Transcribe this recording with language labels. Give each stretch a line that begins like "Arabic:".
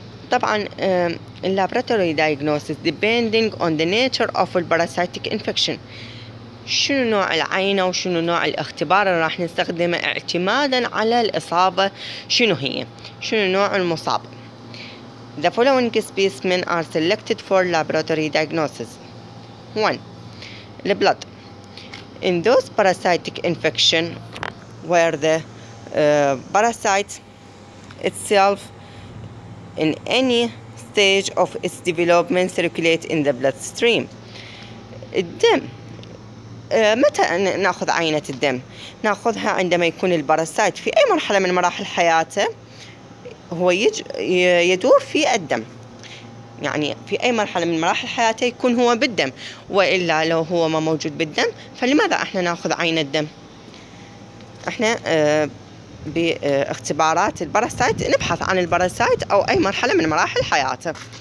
Arabic: طبعا
English: اللابراتوري diagnosis depending on the nature of الباراسايتيك infection,
Arabic: شنو نوع العينة وشنو نوع الاختبار اللي راح نستخدمه اعتمادا على الإصابة شنو هي، شنو نوع المصاب.
English: The following specimen are selected for laboratory diagnosis. 1. Blood. In those parasitic infection where the parasite itself in any stage of its development circulate in the bloodstream.
Arabic: الدم، متى ناخذ عينة الدم؟ ناخذها عندما يكون الباراسايت في أي مرحلة من مراحل حياته هو يدور في الدم، يعني في أي مرحلة من مراحل حياته يكون هو بالدم، وإلا لو هو ما موجود بالدم فلماذا احنا ناخذ عينة الدم؟ احنا باختبارات الباراسايت نبحث عن الباراسايت أو أي مرحلة من مراحل حياته.